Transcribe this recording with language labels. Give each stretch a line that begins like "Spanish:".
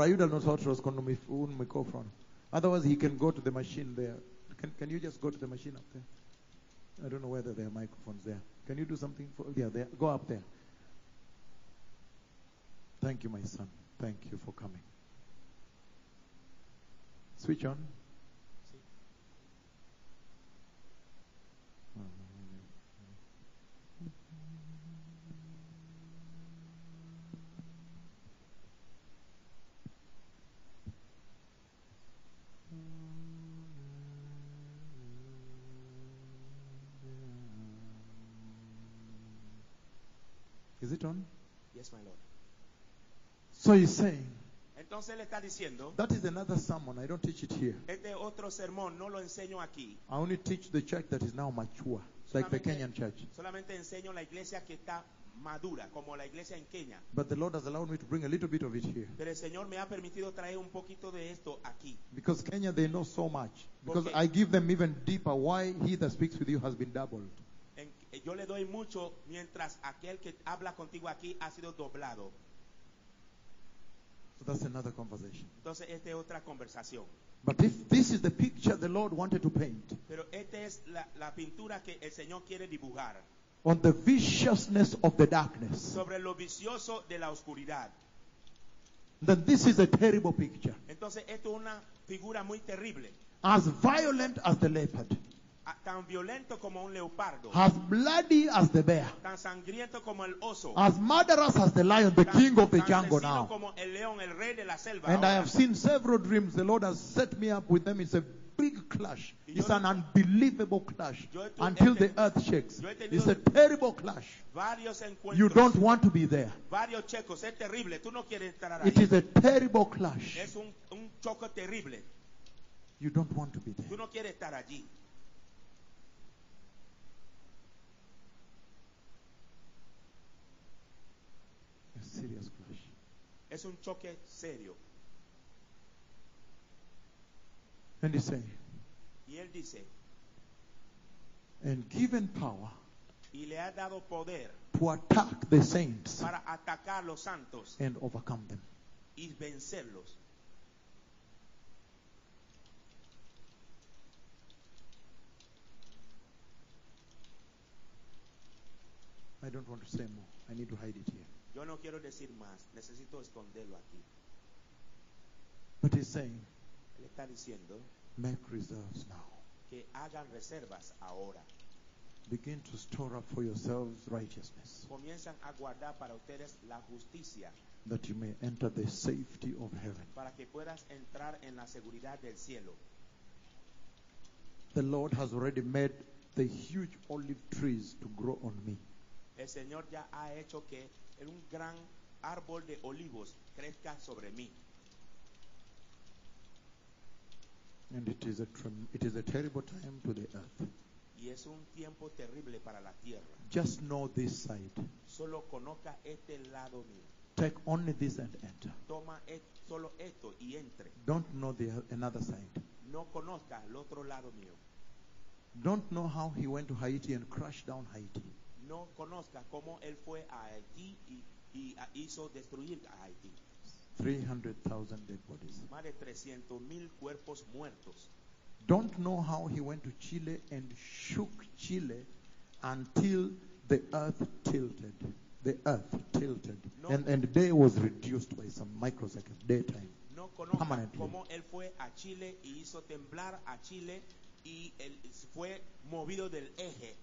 Spanish: Ayuda a nosotros con un micrófono.
English: Otherwise, he can go to the machine there. Can you just go to the machine up there? I don't know whether there are microphones there. Can you do something for? Yeah, there. Go up there. Thank you, my son. Thank you for coming. Switch on. Is it on? Yes, my lord. So he's saying.
Spanish: Entonces él está diciendo.
English: That is another sermon. I don't teach it here.
Spanish: Este otro sermón no lo enseño aquí.
English: I only teach the church that is now mature, like the Kenyan church.
Spanish: Solamente enseño la iglesia que está madura, como la iglesia en Kenia.
English: But the Lord has allowed me to bring a little bit of it here.
Spanish: Pero el Señor me ha permitido traer un poquito de esto aquí.
English: Because Kenya they know so much. Because I give them even deeper why he that speaks with you has been doubled.
Spanish: Yo le doy mucho mientras aquel que habla contigo aquí ha sido doblado.
English: So that's another conversation.
Spanish: Entonces, esta es otra conversación.
English: But if this is the picture the Lord wanted to paint.
Spanish: Pero esta es la pintura que el Señor quiere dibujar.
English: On the viciousness of the darkness.
Spanish: Sobre lo vicioso de la oscuridad.
English: Then this is a terrible picture.
Spanish: Entonces, esto es una figura muy terrible.
English: As violent as the leopard.
Spanish: Tan violento como un leopardo.
English: As bloody as the bear.
Spanish: Tan sangriento como el oso.
English: As murderous as the lion, the king of the jungle now.
Spanish: Como el león, el rey de la selva.
English: And I have seen several dreams. The Lord has set me up with them. It's a big clash. It's an unbelievable clash. Until the earth shakes. It's a terrible clash. You don't want to be there.
Spanish: Varios checos. Es terrible. Tú no quieres estar ahí.
English: It is a terrible clash.
Spanish: Es un choque terrible.
English: You don't want to be there.
Spanish: Tú no quieres estar allí.
English: Serious clash.
Spanish: Es un choque serio.
English: And he say.
Spanish: Y él dice.
English: And given power.
Spanish: Y le ha dado poder.
English: To attack the saints.
Spanish: Para atacar los santos.
English: And overcome them.
Spanish: Y vencerlos.
English: I don't want to say more. I need to hide it here.
Spanish: Yo no quiero decir más. Necesito esconderlo aquí.
English: But he's saying,
Spanish: él está diciendo,
English: make reserves now.
Spanish: Que hagan reservas ahora.
English: Begin to store up for yourselves righteousness.
Spanish: Comienzan a guardar para ustedes la justicia.
English: That you may enter the safety of heaven.
Spanish: Para que puedas entrar en la seguridad del cielo.
English: The Lord has already made the huge olive trees to grow on me.
Spanish: El Señor ya ha hecho que en un gran árbol de olivos crezca sobre mí.
English: And it is a terrible time to the earth.
Spanish: Y es un tiempo terrible para la tierra.
English: Just know this side.
Spanish: Solo conozca este lado mío.
English: Take only this and enter.
Spanish: Toma solo esto y entre.
English: Don't know the another side.
Spanish: No conozca el otro lado mío.
English: Don't know how he went to Haiti and crushed down Haiti.
Spanish: No conozca cómo él fue a Haití y hizo destruir a Haití.
English: 300,000 dead bodies.
Spanish: Más de 300,000 cuerpos muertos.
English: don't know how he went to Chile and shook Chile until the earth tilted. The earth tilted. No. And day was reduced by some microseconds, daytime.
Spanish: No conozco cómo él fue a Chile y hizo temblar a Chile y él fue movido del eje.